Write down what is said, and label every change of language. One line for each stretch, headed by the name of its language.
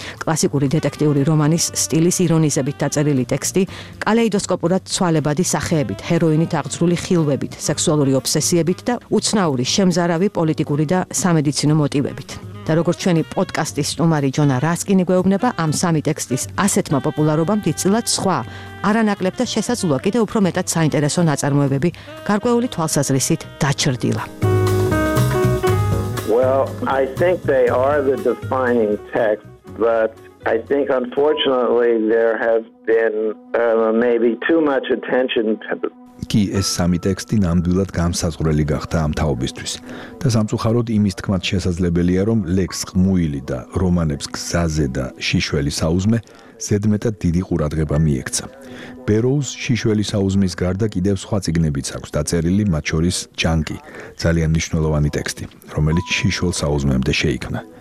Georgian: კლასიკური დეტექტიური რომანის სტილის ირონიზებით დაწერილი ტექსტი, კალეიდოსკოპურად ცვალებადი სახეებით, ჰეროინით აღძრული ხილვებით, სექსუალური ობსესიებით და უცნაური შემზარავი პოლიტიკური და სამედიცინო მოტივებით. და როგორც ჩვენი პოდკასტის სტუმარი ჯონა რასკინი გვეუბნება, ამ სამი ტექსტის ასეთმა პოპულარობამ დიდწილად სხვა, არანაკლებ და შესაძლოა კიდევ უფრო მეტად საინტერესო ნაწარმოებები გარკვეული თვალსაზრისით დაჩრდილა.
English: Well, I think they are the defining text, but I think unfortunately there has been maybe too much attention to
Georgian: კი ეს სამი ტექსტი ნამდვილად განსაზღვრელი გახდა ამ თაობისთვის და სამწუხაროდ იმის თქმაც შესაძლებელია, რომ ლექს ყმუილი და რომანებს გზაზე და შიშველი საუზმე ზედმეტად დიდი ყურადღება მიექცა. ბეროუს შიშველი საუზმის გარდა კიდევ სხვა წიგნებიც აქვს დაწერილი, მათ შორის ჯანკი, ძალიან მნიშვნელოვანი ტექსტი, რომელიც შიშველ საუზმემდე შეიქმნა.